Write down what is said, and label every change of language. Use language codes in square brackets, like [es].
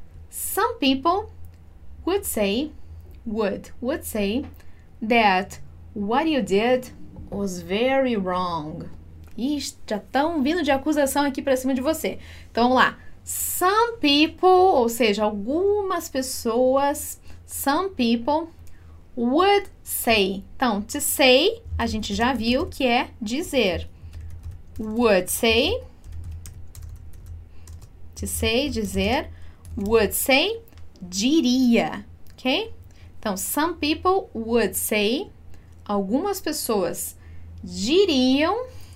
[en] Some people would say that what you did was very wrong. [pt] Ixi, já estão vindo de acusação aqui para cima de você. Então, vamos lá. [en] Some people, [pt] ou seja, algumas pessoas, [en] some people would say. [pt] Então, [en] to say, [pt] a gente já viu que é dizer. [en] Would say. To say, dizer. Would say, diria. Ok? Então, some people would say, [pt] algumas pessoas diriam.